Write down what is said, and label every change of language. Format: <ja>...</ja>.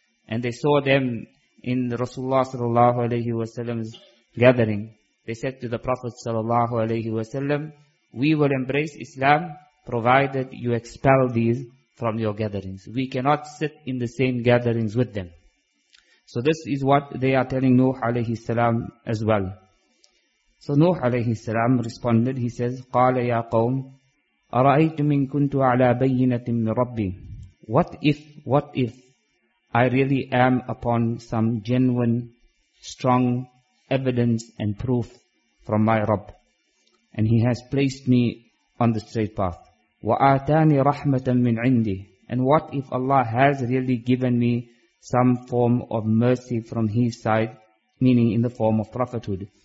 <en>And they saw them in Rasulullah sallallahu alayhi wa sallam's gathering. They said to the Prophet sallallahu alayhi wa sallam, we will embrace Islam provided you expel these from your gatherings. We cannot sit in the same gatherings with them. So this is what they are telling Nuh alayhi salam as well. So Nuh alayhi salam responded, he says,</en> <ar>قَالَ يَا قَوْمْ أَرَأَيْتُ مِنْ كُنْتُ عَلَى بَيِّنَةٍ مِنْ رَبِّي.</ar> <en>What if I really am upon some genuine, strong evidence and proof from my Rabb, and he has placed me on the straight path.</en> <ar>وَآتَانِ رَحْمَةً مِّنْ عِنْدِهِ.</ar> <en>And what if Allah has really given me some form of mercy from His side, meaning in the form of prophethood.</en>